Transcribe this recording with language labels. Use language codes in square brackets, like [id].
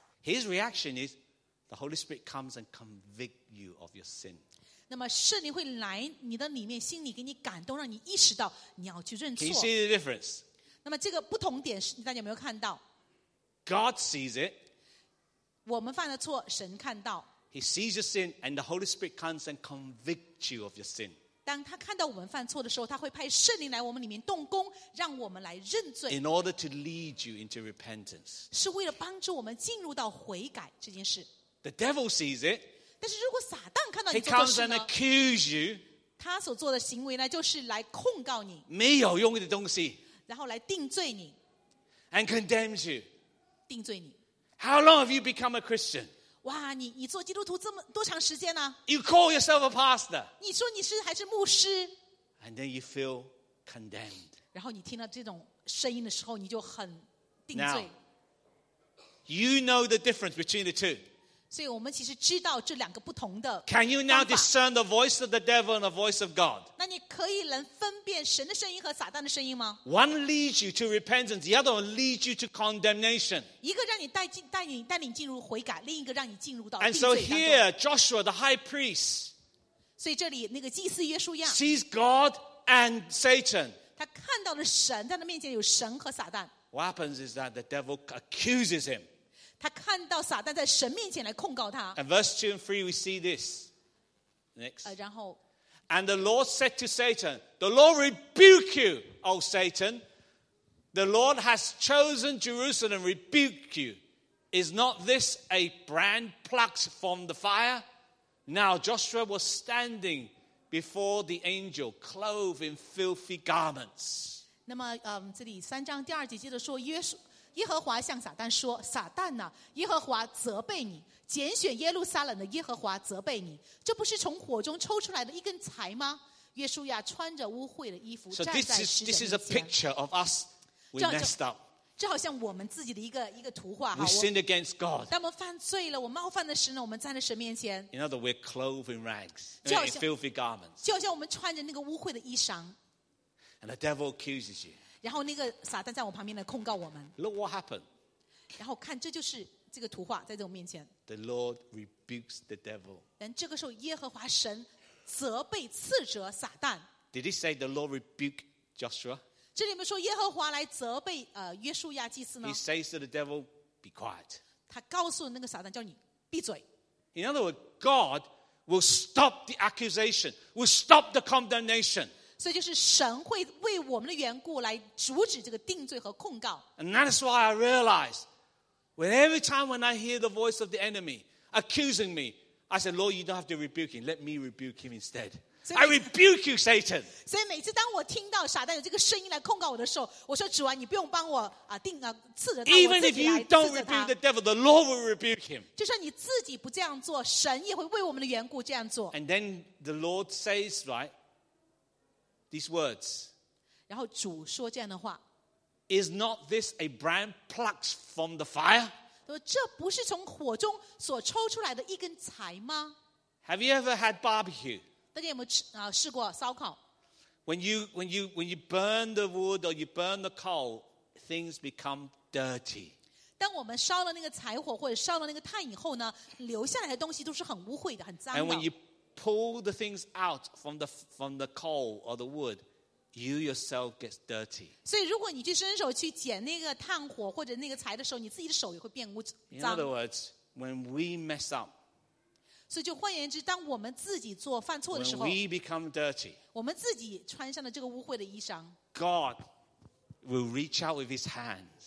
[en] His reaction is the Holy Spirit comes and convict you of your sin. [zh] 那么圣灵会来你的里面，心里给你感动，让你意识到你要去认错。 [en] Can you see the difference? [zh] 那么这个不同点，大家有没有看到？ [en] God sees it. [zh] 我们犯的错，神看到。 [en] He sees your sin, and the Holy Spirit comes and convicts you of your sin. [zh] 当他看到我们犯错的时候，他会派圣灵来我们里面动工，让我们来认罪。 [en] In order to lead you into repentance, [zh] 是为了帮助我们进入到悔改这件事。 [en] The devil sees it. [zh] 但是如果撒旦看到你做错事呢？ [en] He comes and accuses you. [zh] 他所做的行为呢，就是来控告你。没有用的东西。然后来定罪你。 [en] And condemns you. [zh] 定罪你。 [en] How long have you become a Christian? [zh] 哇，你做基督徒这么多长时间呢？ [en] You call yourself a pastor. [zh] 你说你是还是牧师？ [en] And then you feel condemned. [zh] 然后你听到这种声音的时候，你就很定罪。 [en] Now, you know the difference between the two. [zh] 所以我们其实知道这两个不同的方法。 [en] Can you now discern the voice of the devil and the voice of God? [zh] 那你可以能分辨神的声音和撒旦的声音吗？ [en] One leads you to repentance, the other one leads you to condemnation. [zh] 一个让你带领进入悔改，另一个让你进入到定罪当中。 [en] And so here, Joshua, the high priest, [zh] 所以这里那个祭司约书亚 [en] sees God and Satan. [zh] 他看到了神，在他面前有神和撒旦。 [en] What happens is that the devil accuses him. [zh] 他看到撒旦在神面前来控告他。 [en] And verse 2 and 3 we see this. Next. [zh] 然后。 [en] And the Lord said to Satan, The Lord rebuke you, O Satan. The Lord has chosen Jerusalem, rebuke you. Is not this a brand plucked from the fire? Now Joshua was standing before the angel, clothed in filthy garments. [zh] 那么这里三章第二节接着说约书耶和华向撒旦说：“撒旦呐、啊，耶和华责备你，拣选耶路撒冷的耶和华责备你，这不是从火中抽出来的一根柴吗？” 约书亚穿着污秽的衣服站在使者面前。 [en] So this is a picture of us we messed up. [zh] 这好像我们自己的一个图画。 [en] We sinned against God. [zh] 当我们犯罪了，我冒犯了神呢，我们站在神面前。 [en] In other words, we're clothed in rags, in filthy garments. [zh] 就好像我们穿着那个污秽的衣裳。 [en] And the devil accuses you. [zh] 然后那个撒旦在我旁边来控告我们。 [en] Look what happened. [zh] 然后看，这就是这个图画在我面前。 [en] The Lord rebukes the devil. [zh] 但这个时候，耶和华神责备斥责撒旦。 [en] Did he say the Lord rebuke Joshua? [zh] 这里面说耶和华来责备约书亚祭司呢 [en] ？He says to the devil, "Be quiet." [zh] 他告诉那个撒旦叫你闭嘴。 [en] In other words, God will stop the accusation, will stop the condemnation. [zh] 所以就是神会为我们的缘故来阻止这个定罪和控告。 [en] And that is why I realize, when every time when I hear the voice of the enemy accusing me, I say, Lord, you don't have to rebuke him. Let me rebuke him instead. I rebuke you, Satan. [zh] 所以每次当我听到撒旦有这个声音来控告我的时候，我说主啊，你不用帮我啊定啊刺着他。 [en] Even if you don't rebuke the devil, the Lord will rebuke him. [zh] 就算你自己不这样做，神也会为我们的缘故这样做。 [en] And then the Lord says, right, these words. [zh] 然后主说这样的话。 [en] Is not this a brand plucked from the fire? [zh] 这不是从火中所抽出来的一根柴吗？ [en] Have you ever had barbecue? [zh] 大家有没有试过烧烤？ [en] When you burn the wood or you burn the coal, things become dirty. [zh] 当我们烧了那个柴火或者烧了那个炭以后呢，留下来的东西都是很污秽的，很脏的。 [en] And when you pull the things out from the coal or the wood,You yourself gets dirty. [zh] 所以如果你去伸手去捡那个炭火或者那个柴的时候，你自己的手也会变污脏。 [en] In other words, when we mess up, [zh] 所以就换言之，当我们自己做犯错的时候， [en] when we become dirty, [zh] 我们自己穿上了这个污秽的衣裳， [en] God will reach out with his hand.